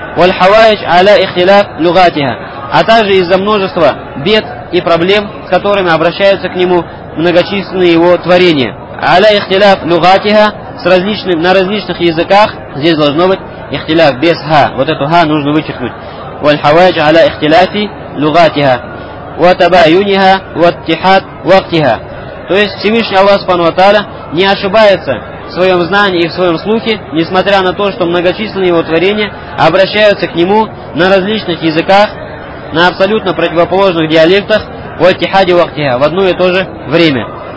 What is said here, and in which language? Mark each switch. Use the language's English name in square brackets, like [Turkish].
[Arabic] «Валь хаваич аля ихтиляф лугатиха». [Russian] А также из-за множества бед и проблем, с которыми обращаются к нему многочисленные его творения. [Arabic] «Аля ихтиляф лугатиха» [Russian] с различным, на различных языках, здесь должно быть «ихтиляф» без «ха». Вот эту «ха» нужно вычеркнуть. [Arabic] والحواج على اختلاف لغاتها وتباينها واتحاد وقتها. [Russian] То есть Всевышний Аллах Субхану ва Тааля не ошибается в своем знании и в своем слухе, несмотря на то, что многочисленные его творения обращаются к нему на различных языках, на абсолютно противоположных диалектах, в [Arabic] аттихаде вактиха, [Russian] в одно и то же время.